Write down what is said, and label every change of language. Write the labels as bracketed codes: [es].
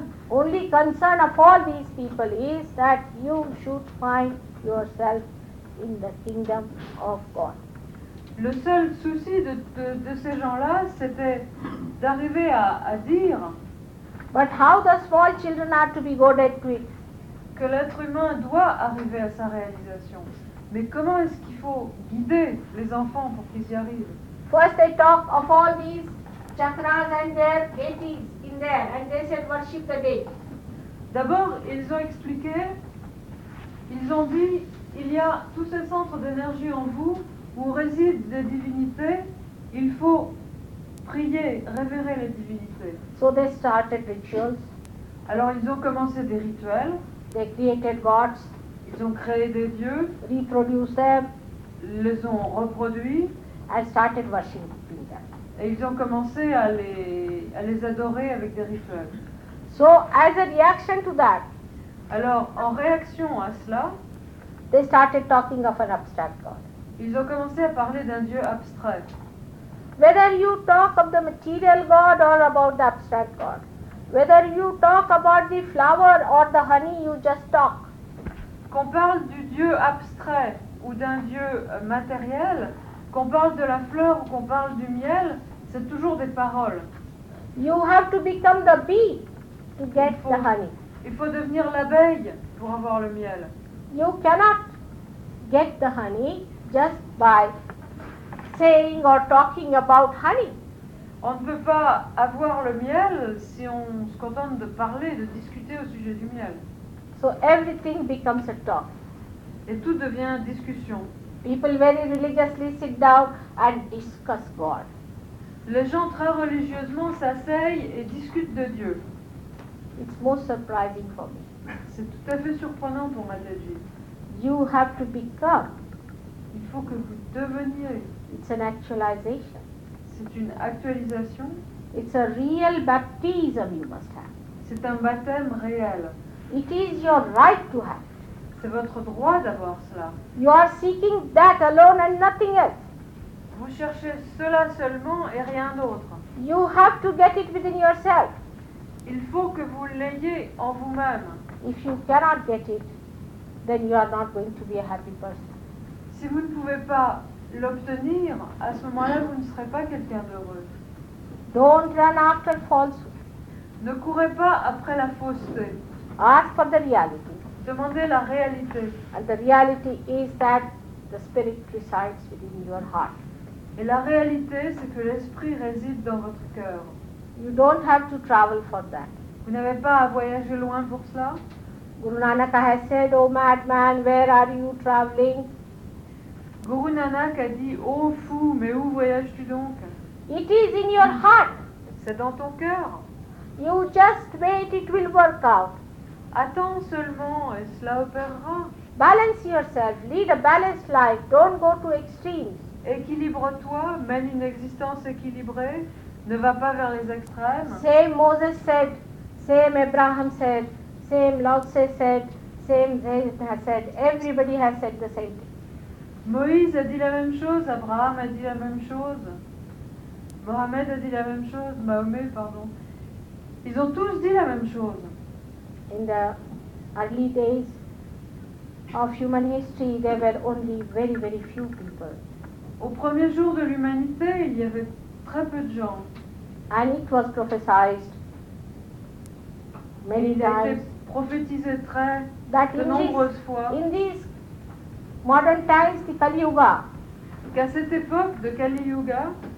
[en] Only concern of all these people is that you should find yourself in the kingdom of God. [fr] Le seul souci de ces gens-là, c'était d'arriver à dire. [en] But how the small children are to be guided to it? [fr] Que l'être humain doit arriver à sa réalisation. Mais comment est-ce qu'il faut guider les enfants pour qu'ils y arrivent? [en] First, they talk of all these chakras and their gates. there and they said worship the deity. [fr] D'abord, ils ont expliqué, ils ont dit, il y a tous ces centres d'énergie en vous où résident des divinités, il faut prier, révérer les divinités. [en] So they started rituals. [fr] Alors ils ont commencé des rituels. [en] They created gods. [fr] Ils ont créé des dieux. [en] Reproduced them. [fr] Les ont reproduits. [en] And started worshiping them. [fr] Et ils ont commencé à les adorer avec des rituels. [en] So as a reaction to that. [fr] Alors en réaction à cela. [en] They started talking of an abstract god. [fr] Ils ont commencé à parler d'un dieu abstrait. [en] Whether you talk of the material god or about the abstract god. Whether you talk about the flower or the honey, you just talk. [fr] Qu'on parle du dieu abstrait ou d'un dieu matériel, qu'on parle de la fleur ou qu'on parle du miel, c'est toujours des paroles. [en] You have to become the bee to get the honey. [fr] Il faut devenir l'abeille pour avoir le miel. [en] You cannot get the honey just by saying or talking about honey. [fr] On ne peut pas avoir le miel si on se contente de parler, de discuter au sujet du miel. [en] So everything becomes a talk. [fr] Et tout devient discussion. [en] People very religiously sit down and discuss God. [fr] Les gens très religieusement s'asseyent et discutent de Dieu. [en] It's most surprising for me. [fr] C'est tout à fait surprenant pour Mataji. [en] You have to become. [fr] Il faut que vous deveniez. [en] It's an actualization. [fr] C'est une actualisation. [en] It's a real baptism you must have. [fr] C'est un baptême réel. [en] It is your right to have. [fr] C'est votre droit d'avoir cela. [en] You are seeking that alone and nothing else. [fr] Vous cherchez cela seulement et rien d'autre. [en] You have to get it within yourself. [fr] Il faut que vous l'ayez en vous-même. [en] If you cannot get it, then you are not going to be a happy person. [fr] Si vous ne pouvez pas l'obtenir, à ce moment-là, vous ne serez pas quelqu'un d'heureux. [en] Don't run after falsehood. [fr] Ne courez pas après la fausseté. [en] Ask for the reality. [fr] Demandez la réalité. [en] And the reality is that the spirit resides within your heart. [fr] Et la réalité, c'est que l'esprit réside dans votre cœur. [en] You don't have to travel for that. [fr] Vous n'avez pas à voyager loin pour cela. [en] Guru Nanak has said, "Oh madman, where are you traveling?" [fr] Guru Nanak a dit, oh fou, mais où voyages-tu donc? [en] It is in your heart. [fr] C'est dans ton cœur. [en] You just wait, it will work out. [fr] Attends seulement et cela opérera. [en] Balance yourself, lead a balanced life, don't go to extremes. [fr] Équilibre-toi, mène une existence équilibrée, ne va pas vers les extrêmes. [en] Same Moses said, same Abraham said, same Lao Tse said, same David has said, everybody has said the same thing. [fr] Moïse a dit la même chose, Abraham a dit la même chose, Mohamed a dit la même chose, Mahomet, pardon. Ils ont tous dit la même chose. [en] In the early days of human history, there were only very, very few people. [fr] Au premier jour de l'humanité, il y avait très peu de gens. [en] And it was prophesied many times. [fr] Il était prophétisé très, de nombreuses fois. [en] Modern times, the Kali Yuga. [fr] Qu'à cette époque de Kali Yuga,